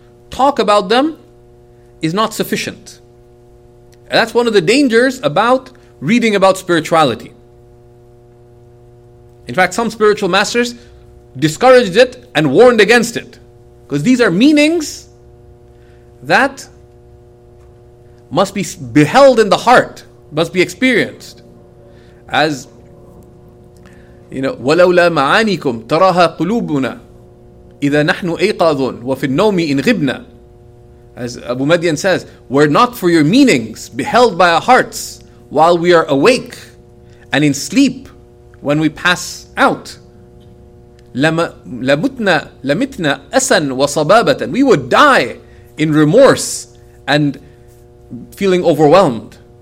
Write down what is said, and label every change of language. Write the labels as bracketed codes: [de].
[en] Talk about them is not sufficient. And that's one of the dangers about reading about spirituality. In fact, some spiritual masters discouraged it and warned against it. Because these are meanings that must be beheld in the heart, must be experienced. As, you know, [ar] وَلَوْلَا مَعَانِكُمْ تَرَاهَا قُلُوبُنَا إِذَا نَحْنُ أَيْقَاظٌ وَفِي النَّوْمِ إِنْ غِبْنَا. [en] As Abu Madian says, were not for your meanings beheld by our hearts while we are awake and in sleep when we pass out, [ar] لَمُتْنَا أَسًا وَصَبَابَةً. [en] We would die in remorse and feeling overwhelmed.